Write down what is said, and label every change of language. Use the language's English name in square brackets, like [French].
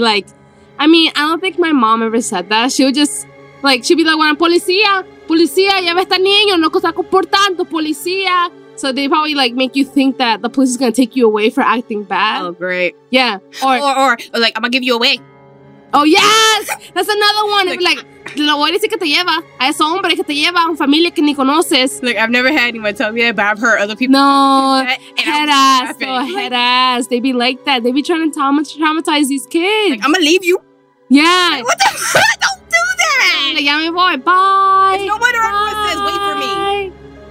[English] Like, I mean, I don't think my mom ever said that. She would just, like, she'd be like, [Spanish] bueno, policía, lleva este niño, no está comportando, policía. [English] So they probably, like, make you think that the police is going to take you away for acting bad. Oh, great. Yeah. Or like, I'm going to give you away. Oh, yes! That's another one. [Spanish] Like, lo voy a decir que te lleva a ese hombre que te lleva a una familia que ni conoces. [English] Like, I've never had anyone tell me that, but I've heard other people. No, head ass. They be like that. They be trying to traumatize these kids. Like, I'm gonna leave you. Yeah. Like, what the fuck? Don't do that. Like, yeah, my boy. Bye. If no one around says, wait for me.